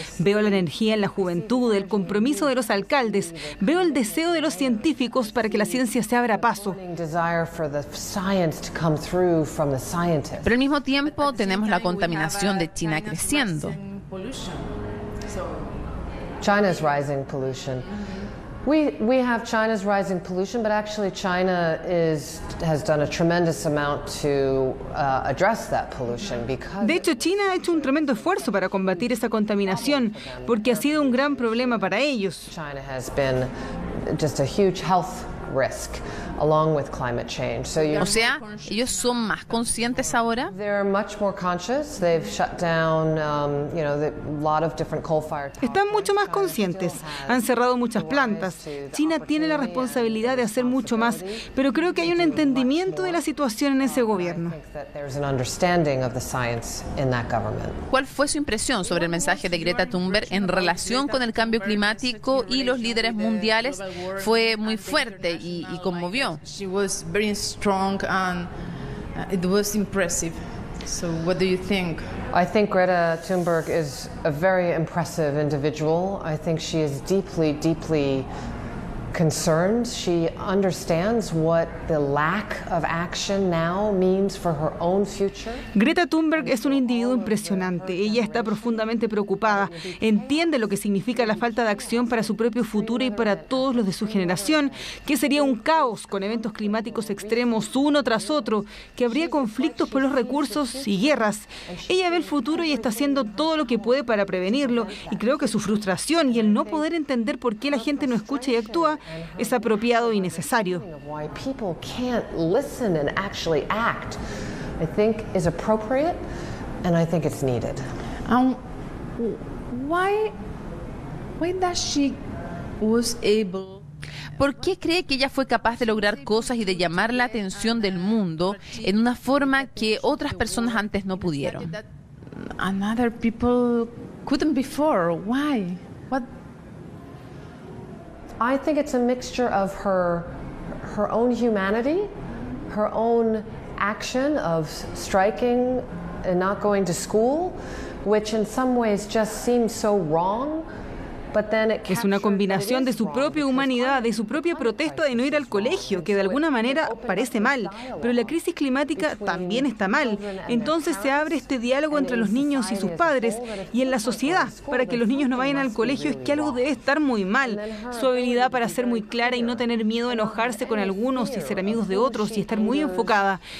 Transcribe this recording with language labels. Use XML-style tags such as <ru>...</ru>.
<es>Veo la energía en la juventud, el compromiso de los alcaldes. Veo el deseo de los científicos para que la ciencia se abra paso. Pero al mismo tiempo tenemos la contaminación de China creciendo.</es> <en>China's rising pollution. We have China's rising pollution, but actually China has done a tremendous amount to address that pollution because.</en> <es>De hecho, China ha hecho un tremendo esfuerzo para combatir esa contaminación, porque ha sido un gran problema para ellos.</es> <en>China has been just a huge health risk along with climate change.</en> <es>So o sea, ellos son más conscientes ahora.</es> <en>They're much more conscious. They've shut down, a lot of different coal-fired.</en> <es>Están mucho más conscientes. Han cerrado muchas plantas. China tiene la responsabilidad de hacer mucho más, pero creo que hay un entendimiento de la situación en ese gobierno.</es> <en>There's an understanding of the science in that government.</en> <es>¿Cuál fue su impresión sobre el mensaje de Greta Thunberg en relación con el cambio climático y los líderes mundiales? Fue muy fuerte. Y conmovió.</es> <en>She was very strong and it was impressive. So what do you think? I think Greta Thunberg is a very impressive individual. I think she is deeply, deeply concerned. She understands what the lack of action now means for her own future.</en> <es>Greta Thunberg es un individuo impresionante. Ella está profundamente preocupada. Entiende lo que significa la falta de acción para su propio futuro y para todos los de su generación, que sería un caos con eventos climáticos extremos uno tras otro, que habría conflictos por los recursos y guerras. Ella ve el futuro y está haciendo todo lo que puede para prevenirlo, y creo que su frustración y el no poder entender por qué la gente no escucha y actúa es apropiado y necesario.</es> <en>Why people can't listen and actually act, I think, is appropriate, and I think it's needed. Why does she was able?</en> <es>¿Por qué cree que ella fue capaz de lograr cosas y de llamar la atención del mundo en una forma que otras personas antes no pudieron?</es> <en>Another people couldn't before. Why? What? I think it's a mixture of her own humanity, her own action of striking and not going to school, which in some ways just seems so wrong</en> <es>Es una combinación de su propia humanidad, de su propia protesta de no ir al colegio, que de alguna manera parece mal. Pero la crisis climática también está mal. Entonces se abre este diálogo entre los niños y sus padres y en la sociedad. Para que los niños no vayan al colegio es que algo debe estar muy mal. Su habilidad para ser muy clara y no tener miedo a enojarse con algunos y ser amigos de otros y estar muy enfocada.</es>